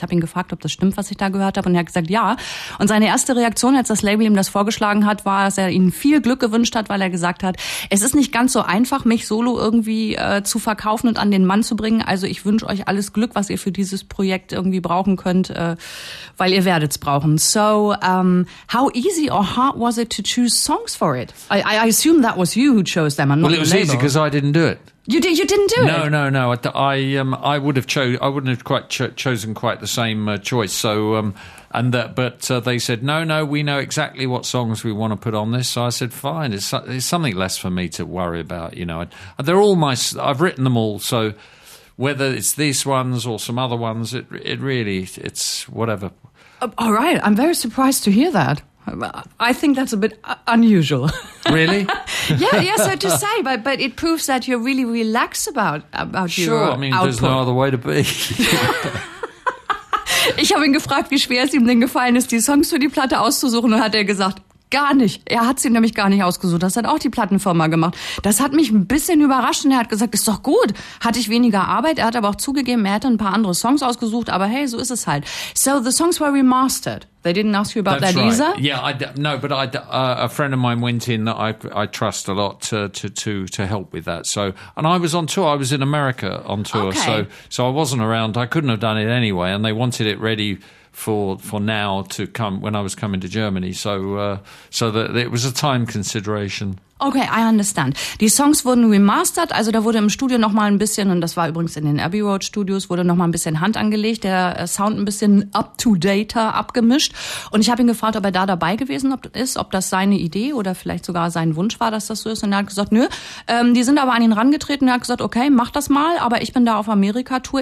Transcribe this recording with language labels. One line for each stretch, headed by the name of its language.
German: Ich habe ihn gefragt, ob das stimmt, was ich da gehört habe, und er hat gesagt, ja. Und seine erste Reaktion, als das Label ihm das vorgeschlagen hat, war, dass er ihnen viel Glück gewünscht hat, weil er gesagt hat, es ist nicht ganz so einfach, mich solo irgendwie zu verkaufen und an den Mann zu bringen. Also ich wünsche euch alles Glück, was ihr für dieses Projekt irgendwie brauchen könnt, weil ihr werdet's brauchen.
English: So, how easy or hard was it to choose songs for it? I assume that was you who chose them. Well, it was easy because I didn't do it. You didn't do it? No. I wouldn't have chosen quite the same choice. So they said, no, we know exactly what songs we want to put on this. So I said, fine, it's something less for me to worry about. You know, they're all my, I've written them all, so whether it's these ones or some other ones, it's whatever. All right, I'm very surprised to hear that. I think that's a bit unusual. Really? yeah, so to say, but it proves that you're really relaxed about sure, your I mean, output. There's no other way to be.
German: Ich habe ihn gefragt, wie schwer es ihm denn gefallen ist, die Songs für die Platte auszusuchen, und hat er gesagt, gar nicht. Er hat sie nämlich gar nicht ausgesucht. Das hat auch die Plattenfirma gemacht. Das hat mich ein bisschen überrascht. Und er hat gesagt, ist doch gut. Hatte ich weniger Arbeit. Er hat aber auch zugegeben, er hätte ein paar andere Songs ausgesucht. Aber hey, so ist es halt.
English: So the songs were remastered. They didn't ask you about that's that right. Yeah, a friend of mine went in that I trust a lot to help with that. So, and I was on tour. I was in America on tour. Okay. So I wasn't around. I couldn't have done it anyway. And they wanted it ready for now to come when I was coming to Germany, so that it was a time consideration. Okay, I understand.
German: Die Songs wurden remastered, also da wurde im Studio nochmal ein bisschen, und das war übrigens in den Abbey Road Studios, wurde nochmal ein bisschen Hand angelegt, der Sound ein bisschen up-to-date abgemischt. Und ich habe ihn gefragt, ob er da dabei gewesen ist, ob das seine Idee oder vielleicht sogar sein Wunsch war, dass das so ist. Und er hat gesagt, nö, die sind aber an ihn rangetreten. Und er hat gesagt, okay, mach das mal, aber ich bin da auf Amerika-Tour.